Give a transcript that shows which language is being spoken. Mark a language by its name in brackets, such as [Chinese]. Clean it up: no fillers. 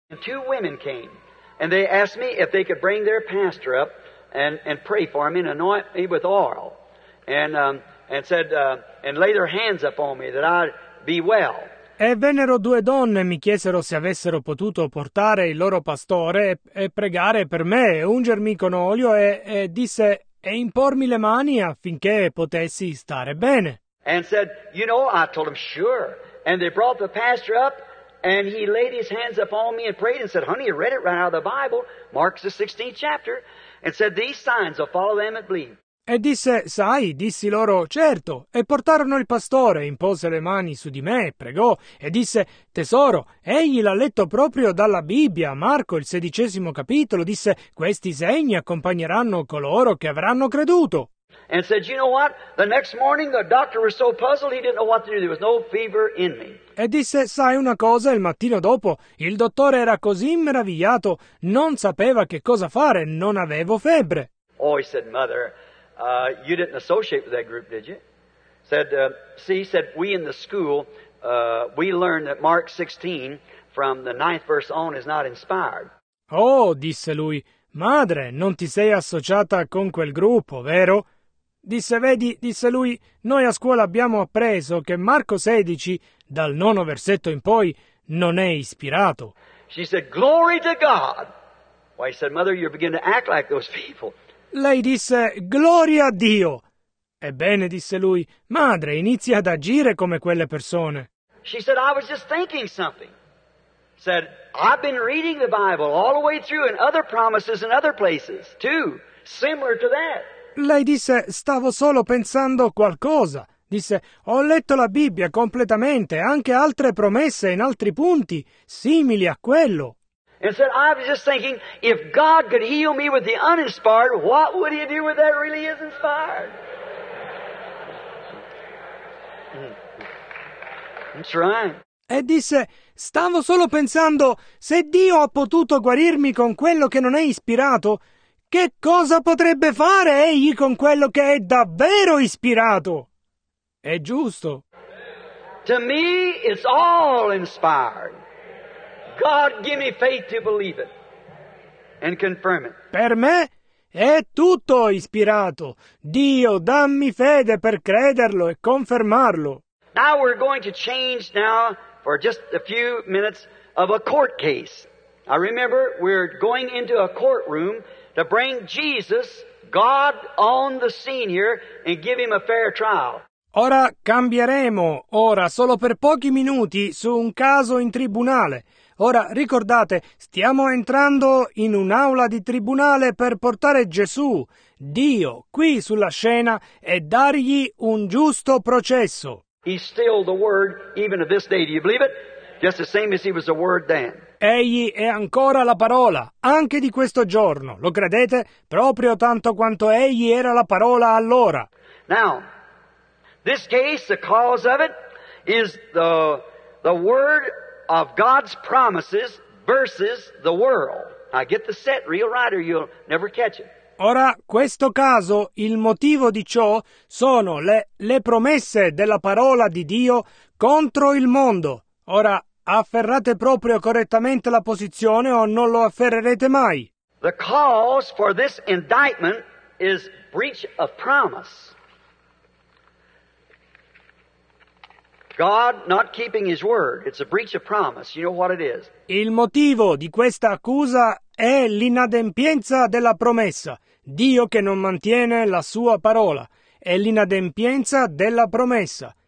[English] And two women came. And they asked me if they could bring their pastor up and pray for me and anoint me with oil and said and lay their hands up on me that I'd be well. [Italian] E vennero due donne e mi chiesero se avessero potuto portare il loro pastore e pregare per me, ungermi con olio e disse e impormi le mani affinché potessi stare bene. [English] And said, you know, I told them sure. And they brought the pastor up. And he laid his hands upon me and prayed and said, honey, I read it right out of the Bible, Mark's the 16th chapter, and said, these signs will follow them that believe. [Italian] E disse, sai, dissi loro, certo, e portarono il pastore, impose le mani su di me, pregò, e disse, tesoro, egli l'ha letto proprio dalla Bibbia, Marco, il 16° capitolo, disse, questi segni accompagneranno coloro che avranno creduto. [English] And said, you know what? The next morning the doctor was so puzzled he didn't know what to do. There was no fever in me. [Italian] E disse, sai una cosa, il mattino dopo il dottore era così meravigliato, non sapeva che cosa fare, non avevo febbre. [English] Oh, he said, mother, you didn't associate with that group, did you? Said, see, said, we in the school, we learned that Mark 16 from the 9th verse on is not inspired. [Italian] Oh, disse lui, madre, non ti sei associata con quel gruppo, vero? Disse, vedi, disse lui, noi a scuola abbiamo appreso che Marco 16, dal 9° versetto in poi, non è ispirato. [English] She said, glory to God. Why, he said, mother, you're beginning to act like those people. [Italian] Lei disse, gloria a Dio. Ebbene, disse lui, madre, inizia ad agire come quelle persone. [English] She said, I was just thinking something. Said, I've been reading the Bible all the way through and other promises in other places, too, similar to that. [Italian] Lei disse, stavo solo pensando qualcosa. Disse, ho letto la Bibbia completamente, anche altre promesse in altri punti, simili a quello. [English] And said, I was just thinking, if God could heal me with the uninspired, what would he do with that really is inspired? That's right. [Italian] E disse, stavo solo pensando, se Dio ha potuto guarirmi con quello che non è ispirato, che cosa potrebbe fare egli con quello che è davvero ispirato? È giusto. [English] To me it's all inspired. God give me faith to believe it and confirm it. [Italian] Per me è tutto ispirato. Dio, dammi fede per crederlo e confermarlo. [English] Now we're going to change now for just a few minutes of a court case. I remember we're going into a courtroom to bring Jesus, God, on the scene here and give him a fair trial. [Italian] Ora cambieremo, ora, solo per pochi minuti, su un caso in tribunale. Ora, ricordate, stiamo entrando in un'aula di tribunale per portare Gesù, Dio, qui sulla scena e dargli un giusto processo. [English] He's still the Word, even of this day, do you believe it? Just the same as he was the Word then. [Italian] Egli è ancora la parola, anche di questo giorno. Lo credete? Proprio tanto quanto egli era la parola allora. [English] Now, this case, the cause of it, is the word of God's promises versus the world. Now get the set real right or you'll never catch it. [Italian] Ora, questo caso, il motivo di ciò, sono le promesse della parola di Dio contro il mondo. Ora, afferrate proprio correttamente la posizione o non lo afferrerete mai. [English] The cause for this indictment is breach of promise. God not keeping his word. It's a breach of promise. You know what it is. [Italian] Il motivo di questa accusa è l'inadempienza della promessa. Dio che non mantiene la sua parola. È l'inadempienza della promessa.